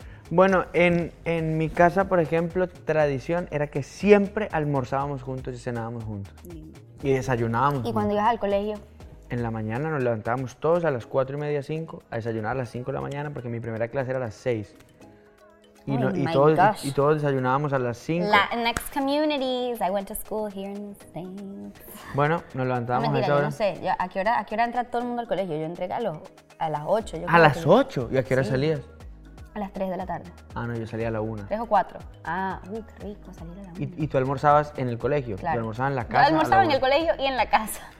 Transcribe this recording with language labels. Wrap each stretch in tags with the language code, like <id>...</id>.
<es>Bueno, en mi casa, por ejemplo, tradición era que siempre almorzábamos juntos y cenábamos juntos. Y desayunábamos. ¿Y cuando ibas al colegio? En la mañana nos levantábamos todos a las 4:30, 5, a desayunar a las 5 de la mañana, porque mi primera clase era a las 6. Y, oh, no, y, todos, y todos desayunábamos a las 5.</es> <en>Latinx communities, I went to school here in the States.</en> <es>Bueno, nos levantábamos mentira, a esa hora. No sé, yo, ¿a qué hora entra todo el mundo al colegio? Yo entré a las 8. Yo ¿a las 8? ¿Y a qué hora salías? A las 3 de la tarde. Ah, no, yo salía a la 1. 3 o 4. Ah, uy, qué rico salir a la 1. ¿Y tú almorzabas en el colegio? Claro. Yo almorzaba en la casa. Yo almorzaba en el colegio y en la casa.</es>